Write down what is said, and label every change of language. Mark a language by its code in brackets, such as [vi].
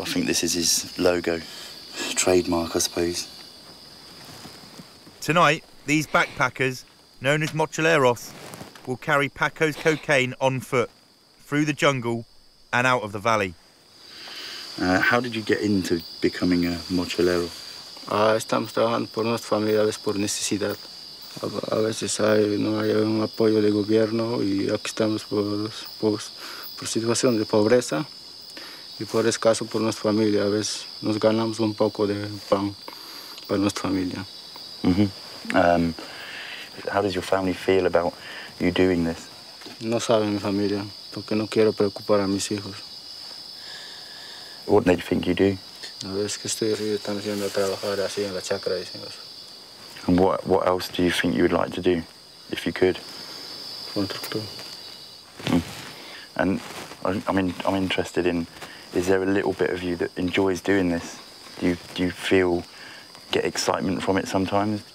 [en] I think this is his logo. Trademark, I suppose. Tonight, these backpackers, known as Mochileros, will carry Paco's cocaine on foot through the jungle and out of the valley. How did you get into becoming a mochilero? [es] Estamos trabajando por nuestra familia, a veces por necesidad. A veces no hay un apoyo del gobierno y aquí estamos por situación de pobreza y por escaso por nuestra familia. A veces nos ganamos un poco de pan para nuestra familia. [en] How does your family feel about you doing this? [es] No sabe mi familia, porque no quiero preocupar a mis hijos. [en] What do you think you do? [es] A veces que estoy también trabajando así en la chacra, decimos. [en] And what else do you think you would like to do, if you could? [es] Constructor. [en] And I'm interested in, is there a little bit of you that enjoys doing this? Do you feel, get excitement from it sometimes?